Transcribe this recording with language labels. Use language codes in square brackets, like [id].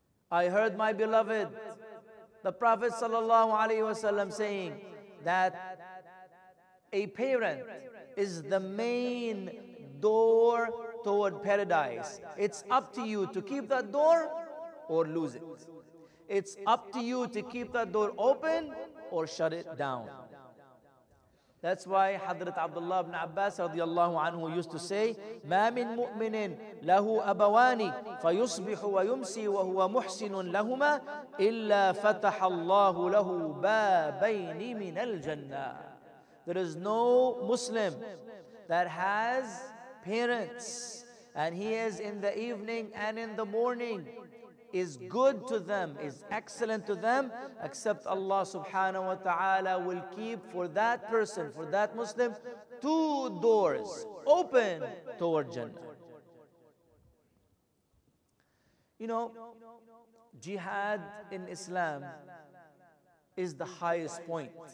[en] I heard my beloved, the Prophet sallallahu alayhi wa sallam saying that a parent is the main door toward paradise. It's up to you to keep that door or lose it. It's up to you to keep that door open or shut it down. That's why Hadrat Abdullah ibn Abbas radiallahu anhu used to say, [ar] مَا مِن مُؤْمِنٍ لَهُ أَبَوَانِ فَيُصْبِحُ وَيُمْسِي وَهُوَ مُحْسِنٌ لَهُمَا إِلَّا فَتَحَ اللَّهُ لَهُ بَابَيْنِ مِنَ الْجَنَّةِ. [en] There is no Muslim that has parents and he is in the evening and in the morning, is good to them, is excellent to them, except Allah subhanahu wa ta'ala will keep for that person, for that Muslim, two doors open toward Jannah. You know, jihad in Islam is the highest point.